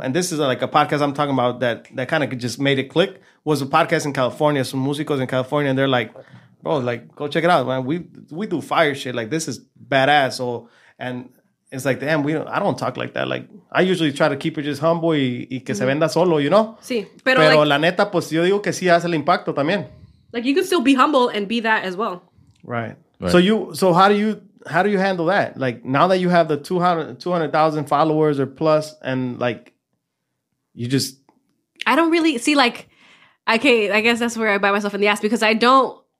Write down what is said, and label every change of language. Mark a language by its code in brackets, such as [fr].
[en] And this is like a podcast I'm talking about that kind of just made it click, was a podcast in California, some músicos in California. And they're like, bro, like, go check it out, man. We do fire shit. Like, this is badass. So, and it's like, damn, I don't talk like that. Like, I usually try to keep it just humble [es] y que mm-hmm. se venda solo, [en] you know? [es] Sí. Pero like, la neta, pues yo digo que sí hace el impacto también. [en] Like, you can still be humble and be that as well. Right. So you, so how do you handle that? Like, now that you have the 200,000 followers or plus, and like, you just, I don't really see, like, okay, I guess that's where I bite myself in the ass, because I don't.